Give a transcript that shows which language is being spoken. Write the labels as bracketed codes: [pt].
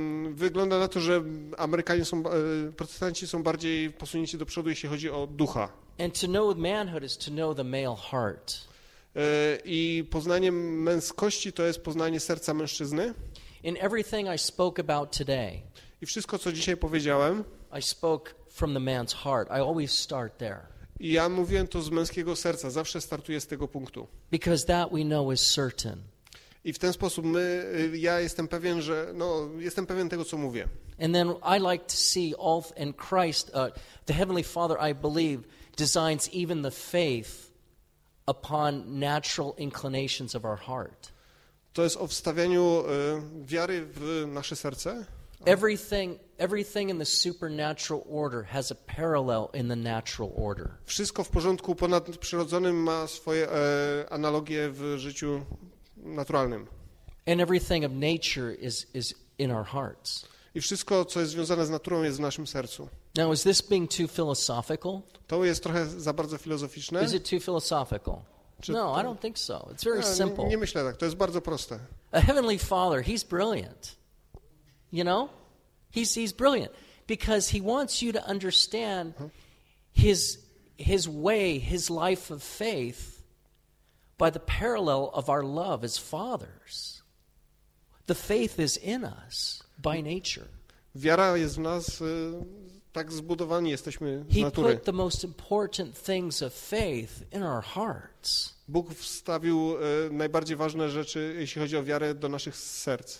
[pl] Wygląda na to, że Amerykanie są, protestanci są bardziej posunięci do przodu, jeśli chodzi o ducha. [en] And to know manhood is to know the male heart. [pl] I poznanie męskości to jest poznanie serca mężczyzny. [en] In everything I spoke about today. [pl] I wszystko, co dzisiaj powiedziałem. [en] I spoke from the man's heart. I always start there. [pl] I ja mówiłem to z męskiego serca. Zawsze startuję z tego punktu. [en] Because that we know is certain. [pl] I w ten sposób ja jestem pewien, że no jestem pewien tego, co mówię. [en] And then I like to see all in Christ, the Heavenly Father, I believe, designs even the faith upon natural inclinations of our heart. [pl] To jest o wstawianiu wiary w nasze serce. [en] Everything in the supernatural order has a parallel in the natural order. [pl] Wszystko w porządku ponadprzyrodzonym ma swoje analogie w życiu naturalnym. [en] And everything of nature is in our hearts. [pl] I wszystko, co jest związane z naturą, jest w naszym sercu. [en] Now, is this being too philosophical? [pl] To jest trochę za bardzo filozoficzne. [en] Is it too philosophical? No, I don't think so. It's very simple. [pl] Nie myślę tak. To jest bardzo proste. [en] A Heavenly Father, he's brilliant. You know? He's brilliant. Because he wants you to understand his way, his life of faith by the parallel of our love as fathers. The faith is in us by nature. [pl] Wiara jest w nas, tak zbudowani jesteśmy z natury. [en] He put the most important things of faith in our hearts. [pl] Bóg wstawił najbardziej ważne rzeczy, jeśli chodzi o wiarę, do naszych serc.